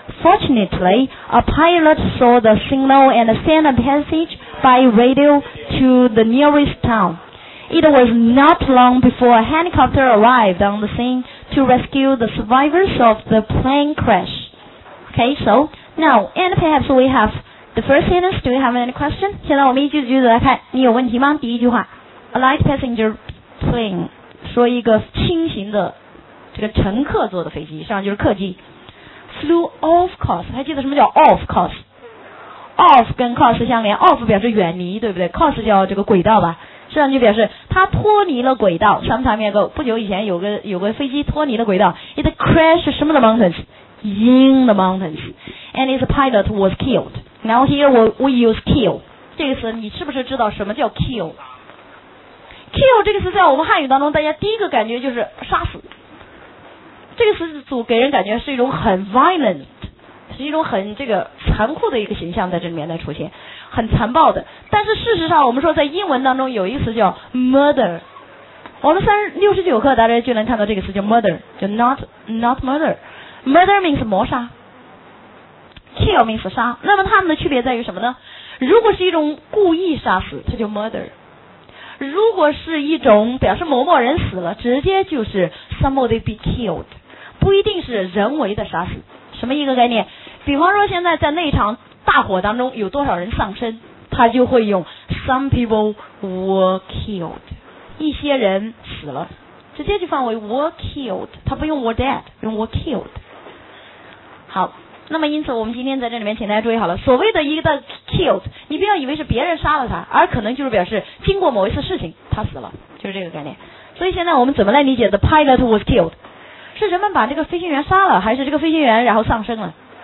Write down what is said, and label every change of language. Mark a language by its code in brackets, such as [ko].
[en] Fortunately, a pilot saw the signal and sent a message by radio to the nearest town. It was not long before a helicopter arrived on the scene to rescue the survivors of the plane crash. Okay, so now, and perhaps we have the first sentence. Do you have any question? [zh] 现在我们一句句子来看，你有问题吗？第一句话 ， [en] A light passenger plane， [zh] 说一个轻型的这个乘客坐的飞机，实际上就是客机。 [en] Flew off course， [zh] 还记得什么叫 [en] off course？ [zh] Off 跟 course 相连， off 表示远离，对不对？Course 叫这个轨道吧，实际上就表示它脱离了轨道。 [en] Sometime ago， [zh] 不久以前有个飞机脱离了轨道。 [en] It crashed [zh] 什么的 [en] mountains？ In the mountains, and its pilot was killed. Now here we use kill. [zh] 这个词你是不是知道什么叫 kill? Kill 这个词在我们汉语当中，大家第一个感觉就是杀死。这个词组给人感觉是一种很 violent， 是一种很这个残酷的一个形象在这里面的出现，很残暴的。但是事实上，我们说在英文当中有一个词叫 murder。我们369课大家就能看到这个词叫 murder， 就 [en] not murder。 Murder means [zh] 谋杀， [en] kill means [zh] 杀。那么它们的区别在于什么呢？如果是一种故意杀死，它就 murder。如果是一种表示某某人死了，直接就是 [en] somebody be killed， [zh] 不一定是人为的杀死。什么一个概念？比方说现在在那场大火当中有多少人丧生，他就会用 [en] some people were killed， [zh] 一些人死了。直接就放为 [en] were killed， [zh] 他不用 [en] were dead， [zh] 用 were killed。好，那么因此我们今天在这里面请大家注意好了，所谓的一个 killed， 你不要以为是别人杀了他，而可能就是表示经过某一次事情他死了，就是这个概念。所以现在我们怎么来理解 [en] the pilot was killed？ [zh] 是人们把这个飞行员杀了，还是这个飞行员然后丧生了？